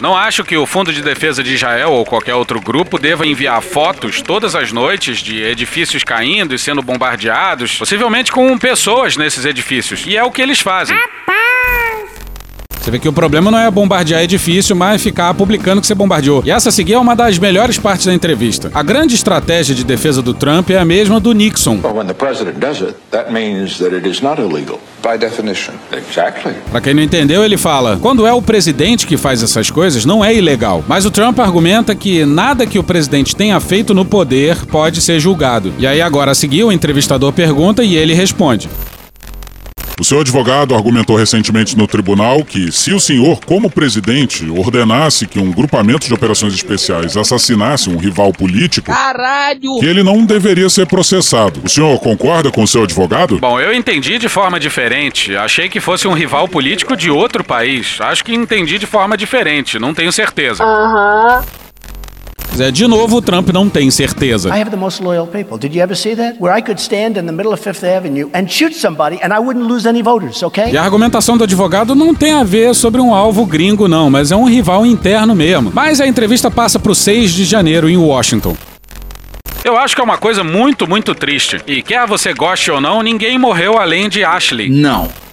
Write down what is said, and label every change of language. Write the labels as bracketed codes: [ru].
[pt] Não acho que o Fundo de Defesa de Israel ou qualquer outro grupo deva enviar fotos todas as noites de edifícios caindo e sendo bombardeados, possivelmente com pessoas nesses edifícios. E é o que eles fazem. Você vê que o problema não é bombardear edifício, mas ficar publicando que você bombardeou. E essa a seguir é uma das melhores partes da entrevista. A grande estratégia de defesa do Trump é a mesma do Nixon. [en] Well, when the president does it, that means that it is not illegal. By definition. Exactly. [pt] Pra quem não entendeu, ele fala, quando é o presidente que faz essas coisas, não é ilegal. Mas o Trump argumenta que nada que o presidente tenha feito no poder pode ser julgado. E aí agora a seguir o entrevistador pergunta e ele responde. O seu advogado argumentou recentemente no tribunal que, se o senhor, como presidente, ordenasse que um grupamento de operações especiais assassinasse um rival político... Caralho! ...que ele não deveria ser processado. O senhor concorda com o seu advogado? Bom, eu entendi de forma diferente. Achei que fosse um rival político de outro país. Acho que entendi de forma diferente. Não tenho certeza. Zé, de novo, o Trump não tem certeza. [en] I have the most loyal people. Did you ever see that? Where I could stand in the middle of Fifth Avenue and shoot somebody and I wouldn't lose any voters, okay? [pt] E a argumentação do advogado não tem a ver sobre um alvo gringo, não, mas é um rival interno mesmo. Mas a entrevista passa pro 6 de janeiro em Washington. Eu acho que é uma coisa muito, muito triste. E quer você goste ou não, ninguém morreu além de Ashley. Não.